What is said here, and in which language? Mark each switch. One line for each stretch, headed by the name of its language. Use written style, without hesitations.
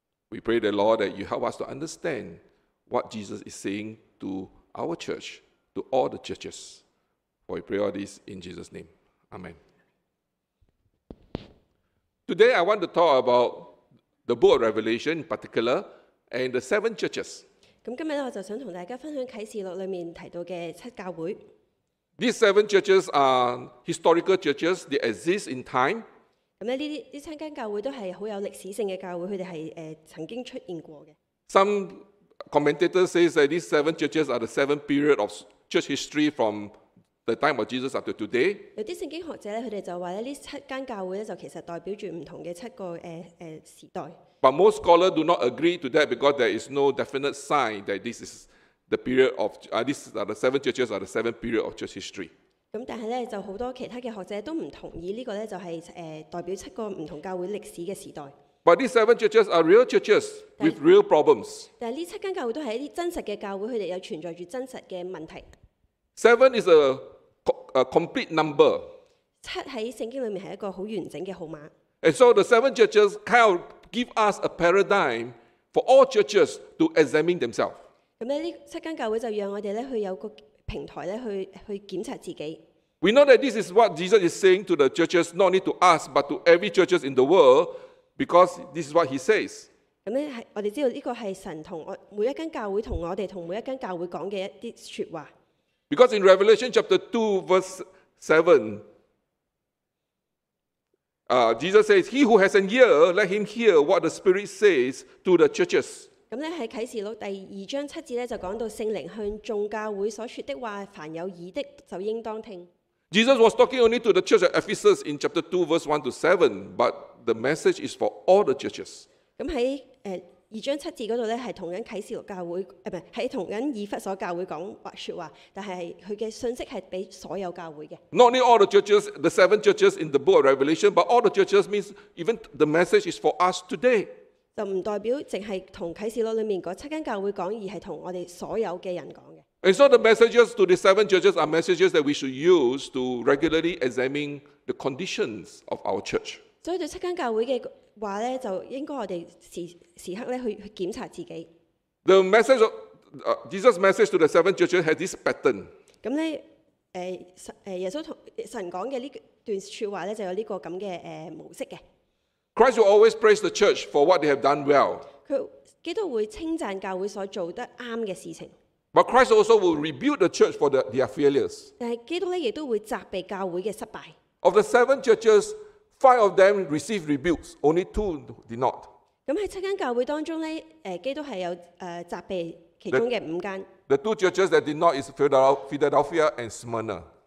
English: We pray the Lord that you help us to understand what Jesus is saying to our church, to all the churches. For we pray all this in Jesus' name. Amen. Today I want to talk about the book of Revelation in particular and the seven churches.
Cantonese: 今天我就想同大家分享启示录里面提到嘅七教会。
English: These seven churches are historical churches. They exist in time.
Cantonese: 咁咧，呢七间教会都系好有历史性嘅教会，佢哋系曾经出现过嘅。
English: Some commentators say that these seven churches are the seven period of church history from the time of Jesus up to today.
Cantonese: 有啲聖經學者咧，佢哋就話咧，呢七間教會咧就其實代表住唔同嘅七個時代。
English: But most scholars do not agree to that because there is no definite sign that this is the period of the seven churches are the seven period of church history.
Cantonese: 咁但係咧，就好多其他嘅學者都唔同意呢個咧，就係代表七個唔同教會歷史嘅時代。
English: But these seven churches are real churches with real problems.
Cantonese: 但係呢七間教會都係一啲真實嘅教會，佢哋有存在住真實嘅問題。
English: Seven is a complete number.
Cantonese: 七喺聖經裏面係一個好完整嘅號碼。
English: And so the seven churches kind of give us a paradigm for all churches to examine themselves.
Cantonese: 咁咧，呢七間教會就讓我哋咧去有個平台咧去檢查自己。
English: We know that this is what Jesus is saying to the churches, not only to us but to every churches in the world, because this is what he says.
Cantonese: 咁咧，我哋知道呢個係神同我每一間教會同我哋同每一間教會講嘅一啲説話。
English: Because in Revelation chapter 2 verse 7, Jesus says, "He who has an ear, let him hear what the Spirit says to the churches."
Cantonese: 咁咧喺启示录第二章七节咧就讲到圣灵向众教会所说的话，凡有耳的就应当听。
English: Jesus was talking only to the church at Ephesus in chapter 2 verse 1 to 7, but the message is for all the churches.
Cantonese: 咁喺二章七節嗰度咧，係同緊啟示錄教會，唔係喺同緊以弗所教會講話説話，但係佢嘅信息係俾所有教會嘅。
English: Not only all the churches, the seven churches in the book of Revelation, but all the churches means even the message is for us today.
Cantonese: 就唔代表淨係同啟示錄裡面嗰七間教會講，而係同我哋所有嘅人講嘅。
English: And so the messages to the seven churches are messages that we should use to regularly examine the conditions of our church.
Cantonese: 所以對七間教會嘅話咧，就應該我哋時刻咧去檢查自己。
English: The message of Jesus' message to the seven churches has this pattern。
Cantonese: 咁咧，耶穌同神講嘅呢段説話咧，就有呢個咁嘅模式嘅。
English: Christ will always praise the church for what they have done well。
Cantonese: 佢基督會稱讚教會所做得啱嘅事情。
English: But Christ also will rebuke the church for their failures。
Cantonese: 但係基督咧，亦都會責備教會嘅失敗。
English: Of the seven churches。 Five of them received rebukes, only two did not.
Cantonese: 咁喺七間教會當中咧，基督係有責備其中嘅五間。
English: The two churches that did not is Philadelphia and Smyrna.